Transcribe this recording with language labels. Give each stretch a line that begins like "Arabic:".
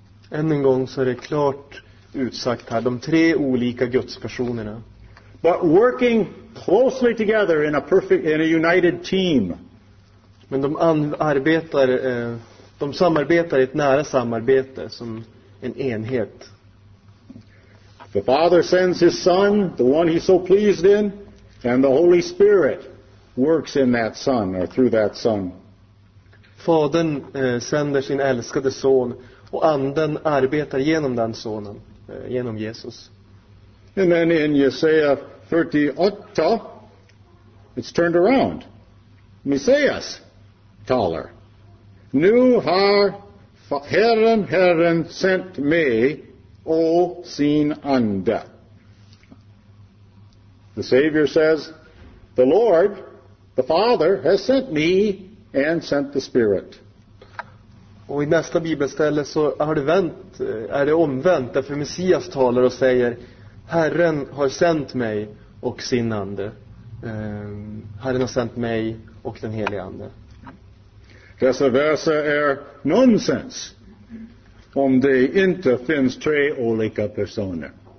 Swedish: Än en gång så är det klart utsagt här, de tre olika gudspersonerna.
English: But working closely together in a perfect, in a united team.
Swedish: Men de arbetar, de samarbetar I ett nära samarbete som en enhet.
English: The Father sends His Son, the one He's so pleased in, and the Holy Spirit works in that Son or through that Son.
Swedish: Fadern sänder sin älskade son och anden arbetar genom den sonen, genom Jesus.
English: And then in Jesaja 38, it's turned around.
Swedish: Messias talar. Nu har Herren sent mig och sin ande.
English: The Savior says, the Lord, the Father, has sent me and sent the Spirit.
Swedish: Och I nästa bibelställe så har det vänt, är det omvänt, därför Messias talar och säger Herren har sänt mig och sin ande. Herren har sänt mig och den helige ande. Dessa verser är nonsens om det inte finns tre olika personer.